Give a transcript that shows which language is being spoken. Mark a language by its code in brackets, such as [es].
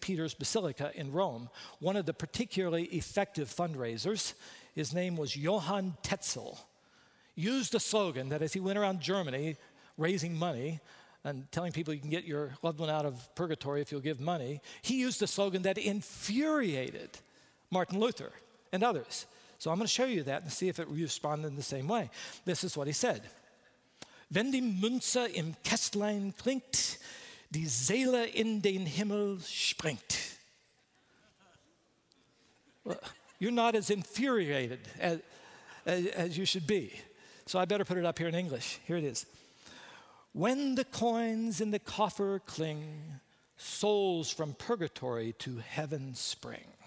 [en] Peter's Basilica in Rome, one of the particularly effective fundraisers, his name was Johann Tetzel, used a slogan that as he went around Germany raising money and telling people you can get your loved one out of purgatory if you'll give money, he used a slogan that infuriated Martin Luther and others. So I'm going to show you that and see if it responded in the same way. This is what he said. [de] Wenn die Münze im Kästlein klingt, die Seele in den Himmel springt. [en] You're not as infuriated as you should be. So I better put it up here in English. Here it is. When the coins in the coffer cling, souls from purgatory to heaven spring.